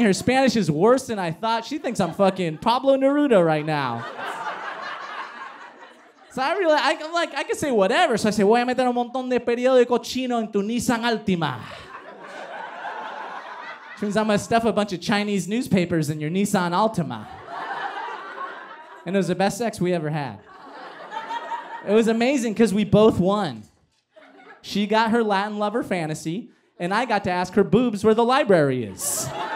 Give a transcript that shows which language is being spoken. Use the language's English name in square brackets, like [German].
[English] Her Spanish is worse than I thought. She thinks I'm fucking Pablo Neruda right now. So I realized, I can say whatever. So I said, [Spanish] voy a meter un montón de periódico chino en tu Nissan Altima. [English] Turns out I'm gonna stuff a bunch of Chinese newspapers in your Nissan Altima. And it was the best sex we ever had. It was amazing because we both won. She got her Latin lover fantasy, and I got to ask her boobs where the library is.